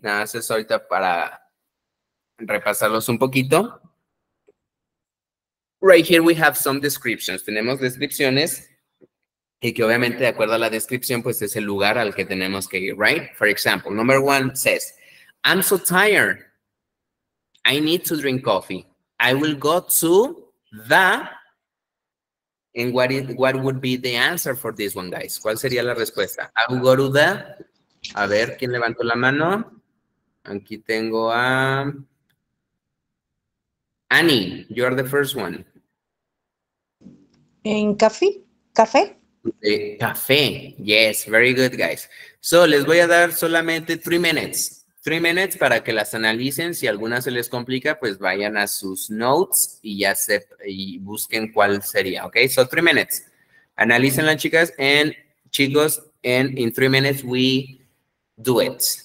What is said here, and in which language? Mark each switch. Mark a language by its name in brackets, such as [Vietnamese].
[Spanish] Nada más es ahorita para repasarlos un poquito. [English] Right here we have some descriptions. [Spanish] Tenemos descripciones y que obviamente de acuerdo a la descripción, pues es el lugar al que tenemos que ir, right? [English] For example, number one says, I'm so tired. I need to drink coffee. I will go to the, And what would be the answer for this one, guys? [Spanish] ¿Cuál sería la respuesta? [English] I'll go to the, [Spanish] a ver, ¿quién levantó la mano? Aquí tengo a Annie, [English] you're the first one. [Spanish] ¿En café? [English] Café, yes, very good, guys. [Spanish] So, les voy a dar solamente 3 minutes. 3 minutes para que las analicen. Si alguna se les complica, pues vayan a sus notes y ya se y busquen cuál sería, ¿ok? [English] So, 3 minutes. [Spanish] Analícenla, chicas, [English] and chicos, and in 3 minutes we do it.